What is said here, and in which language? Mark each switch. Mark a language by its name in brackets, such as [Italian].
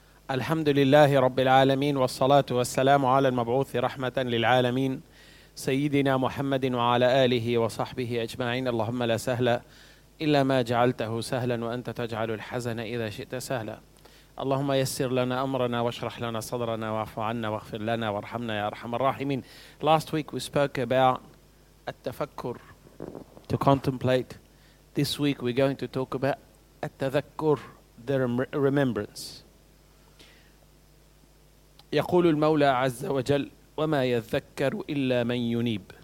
[Arabic] الحمد لله رب العالمين، والصلاة والسلام على المبعوث رحمة للعالمين سيدنا محمد وعلى آله وصحبه أجمعين. اللهم لا سهل إلا ما جعلته سهلا، وأنت تجعل الحزن إذا شئت سهلا. اللهم يسر لنا أمرنا، واشرح لنا صدرنا، واعف عنا، واغفر لنا، وارحمنا يا أرحم الراحمين. [English] Last week we spoke about التفكر, to contemplate. This week we're going to talk about التذكر, the remembrance. [Arabic] يقول المولى عز وجل وما يذكر إلا من ينيب.